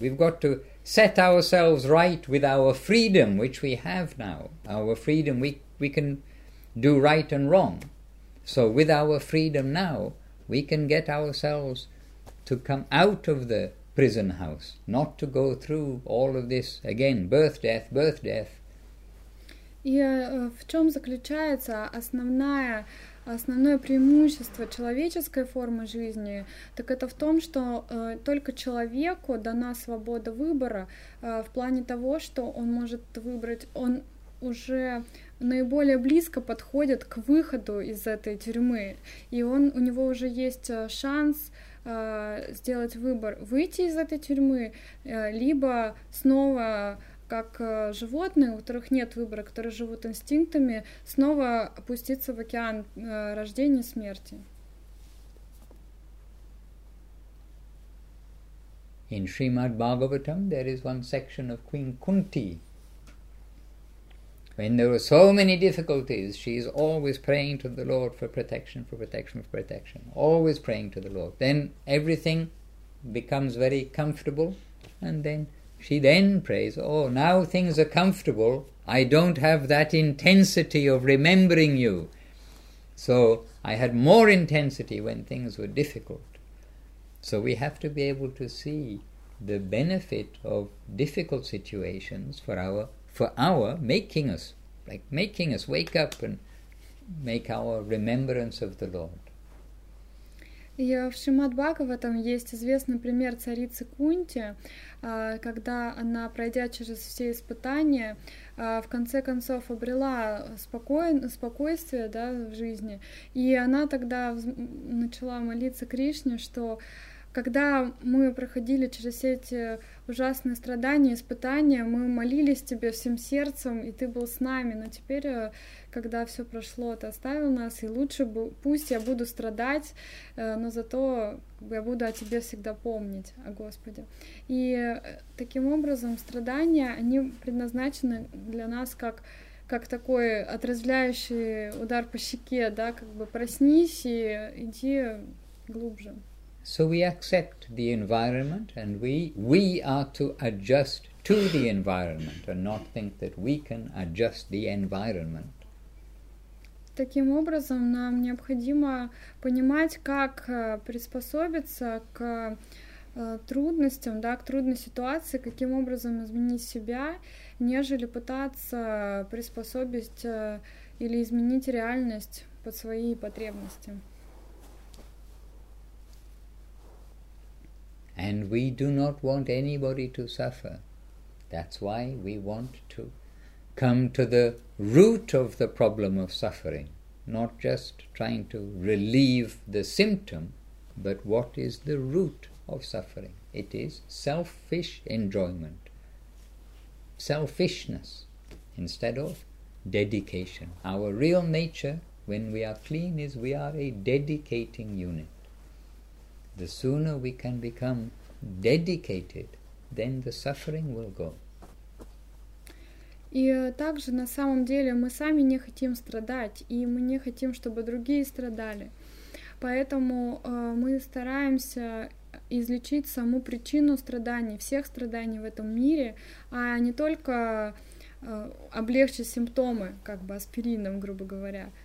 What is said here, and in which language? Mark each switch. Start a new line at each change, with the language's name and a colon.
English: We've got to set ourselves right with our freedom, which we have now. Our freedom, we can do right and wrong. So with our freedom now, we can get ourselves to come out of the prison house, not to go through all of this again, birth, death, birth, death.
Russian: И в чем заключается основное преимущество человеческой формы жизни, так это в том, что только человеку дана свобода выбора, в плане того, что он может выбрать, он уже наиболее близко подходит к выходу из этой тюрьмы, и он, у него уже есть шанс сделать выбор, выйти из этой тюрьмы, либо снова, как животные, у которых нет выбора, которые живут инстинктами, снова опуститься в океан рождения и смерти.
English: In Srimad Bhagavatam there is one section of Queen Kunti. When there were so many difficulties, she is always praying to the Lord for protection, for protection, for protection. Always praying to the Lord. Then everything becomes very comfortable, and then she prays, oh, now things are comfortable, I don't have that intensity of remembering you. So I had more intensity when things were difficult. So we have to be able to see the benefit of difficult situations for our making us wake up and make our remembrance of the Lord.
Russian: И в Шримад Бхагаватам есть известный пример царицы Кунти, когда она, пройдя через все испытания, в конце концов обрела спокойствие, да, в жизни, и она тогда начала молиться Кришне, что когда мы проходили через все эти ужасные страдания, испытания, мы молились тебе всем сердцем, и ты был с нами. Но теперь, когда все прошло, ты оставил нас, и лучше бы, пусть я буду страдать, но зато я буду о тебе всегда помнить, о Господе. И таким образом страдания, они предназначены для нас как такой отрезвляющий удар по щеке, да, как бы проснись и иди глубже.
English: So we accept the environment, and we are to adjust to the environment and not think that we can adjust the environment.
Russian: Таким образом, нам необходимо понимать, как приспособиться к трудностям, да, к трудной ситуации, каким образом изменить себя, нежели пытаться приспособить или изменить реальность под свои потребности.
English: And we do not want anybody to suffer. That's why we want to come to the root of the problem of suffering, not just trying to relieve the symptom, but what is the root of suffering? It is selfish enjoyment, selfishness, instead of dedication. Our real nature when we are clean is we are a dedicating unit. The sooner we can become dedicated, then the suffering will go.
Russian: И также на самом деле мы сами не хотим страдать, и мы не хотим, чтобы другие страдали. Поэтому мы стараемся излечить саму причину страданий, всех страданий в этом мире, а не только облегчить симптомы, как бы аспирином, грубо говоря.